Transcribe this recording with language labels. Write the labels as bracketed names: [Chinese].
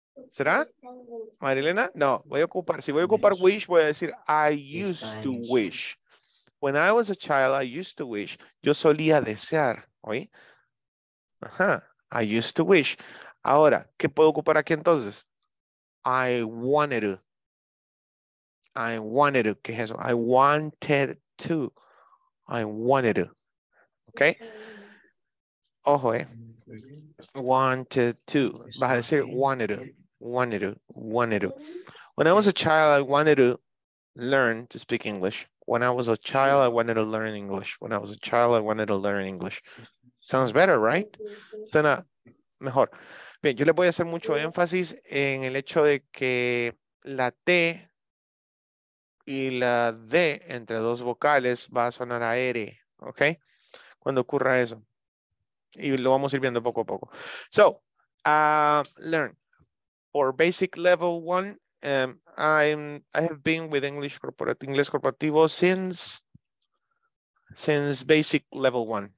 [Spanish] ¿Será? Marilena, no, voy a ocupar, si voy a ocupar wish, voy a decir [English] I used to wish. When I was a child, I used to wish. [Spanish] Yo solía desear, ¿oí? [English] I used to wish. [Spanish] Ahora, ¿qué puedo ocupar aquí entonces? [English] I wanted to, [Spanish] ¿qué es eso? [English] I wanted to. Okay. [Spanish] Ojo, Wanted to. Vas a decir wanted to. [English] When I was a child, I wanted to learn to speak English. When I was a child, I wanted to learn English. When I was a child, I wanted to learn English. Sounds better, right? [Spanish] Suena mejor. Bien, yo le voy a hacer mucho énfasis en el hecho de que la T y la D entre dos vocales va a sonar a R, ¿ok? Cuando ocurra eso. Y lo vamos a ir viendo poco a poco. [English] So, learn. For basic level one, I have been with English Corporativo since basic level one.